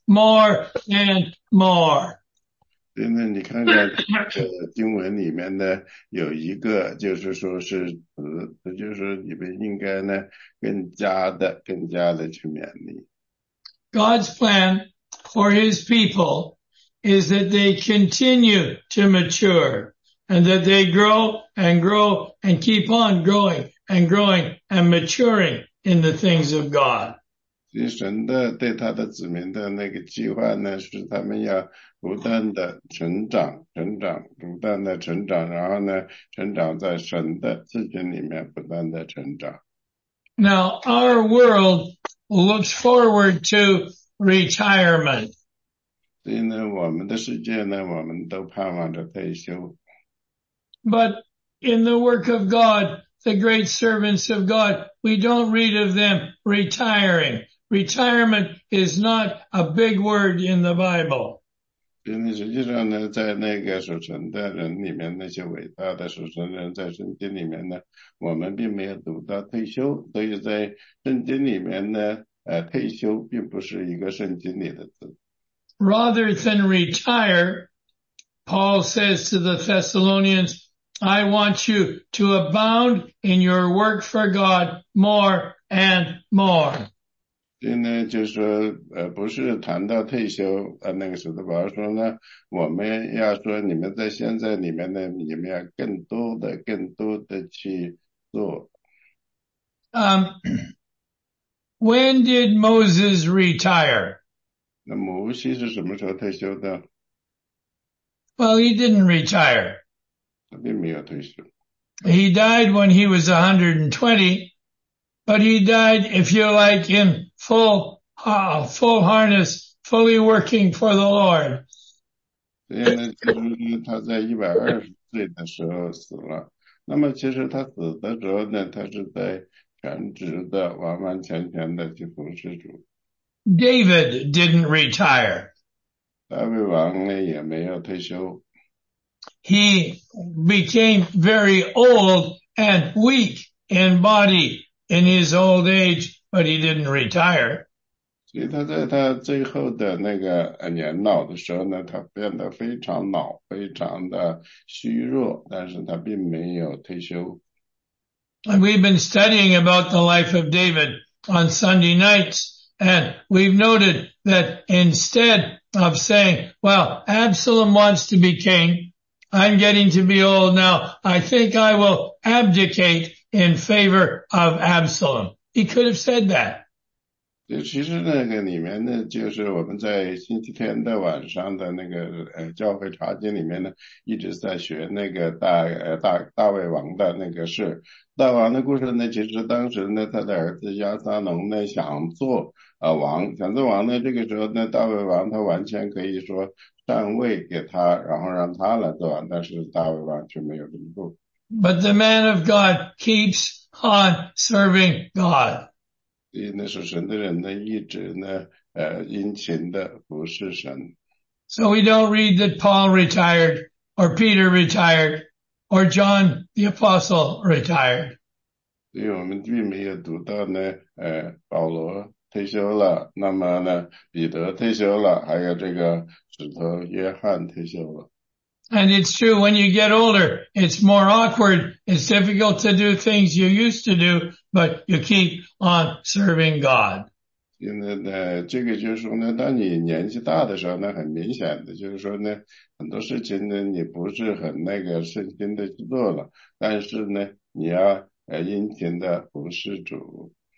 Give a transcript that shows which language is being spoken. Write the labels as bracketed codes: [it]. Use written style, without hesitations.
[en] More and more. [zh] 现在你看看经文里面呢有一个就是说是就是你们应该呢更加的去勉励。 [en] God's plan for his people is that they continue to mature and that they grow and grow and keep on growing and growing and maturing in the things of God. [zh] 所以神的对他的子民的那个计划呢是他们要不断的成长不断的成长然后呢成长在神的自己里面不断的成长。 [en] Now, our world looks forward to retirement. [zh] 所以呢我们的世界呢我们都盼望着退休。 [en] But in the work of God, the great servants of God, we don't read of them retiring. Retirement is not a big word in the Bible. [zh] 实际上呢在那个属神的人里面那些伟大的属神人在圣经里面呢我们并没有读到退休所以在圣经里面呢退休并不是一个圣经里的字。 [en] Rather than retire, Paul says to the Thessalonians, I want you to abound in your work for God more and more. [zh] 所以呢就是说不是谈到退休那个时候保罗说呢我们要说你们在现在里面呢你们要更多的去 [en] When did Moses retire? [zh] 那摩西是什么时候退休的？ [en] Well, he didn't retire. [zh] 他并没有退休。 [en] He died when he was 120, but he died, if you like, in full harness, fully working for the Lord. [zh] 所以呢，就是他在120岁的时候死了。那么其实他死的时候呢，他是在全职的、完完全全的去服侍主。 [en] David didn't retire. [zh] 大卫王呢也没有退休。 [en] He became very old and weak in body in his old age, but he didn't retire. [zh] 所以他在他最后的那个年老的时候呢，他变得非常老，非常的虚弱，但是他并没有退休。 [en] And we've been studying about the life of David on Sunday nights, and we've noted that instead of saying, well, Absalom wants to be king, I'm getting to be old now, I think I will abdicate in favor of Absalom. He could have said that. [zh] 其实那个里面呢，就是我们在星期天的晚上的那个教会查经里面呢，一直在学那个大卫王的那个事。大王的故事呢，其实当时呢，他的儿子亚撒龙呢想做王，想做王呢，这个时候呢，大卫王他完全可以说上位给他，然后让他来做王，但是大卫王却没有这么做。 [en] But the man of God keeps on serving God. [zh] 所以那是神的人呢，一直呢，殷勤的服侍神。 [en] So we don't read that Paul retired, or Peter retired, or John the Apostle retired. [zh] 所以我们并没有读到呢，保罗退休了，那么呢，彼得退休了，还有这个使徒约翰退休了。 [en] And it's true, when you get older, it's more awkward, it's difficult to do things you used to do, but you keep on serving God. [zh] 现在呢，这个就是说呢，当你年纪大的时候呢，很明显的就是说呢，很多事情呢，你不是很那个顺心的去做了，但是呢，你要殷勤的服侍主。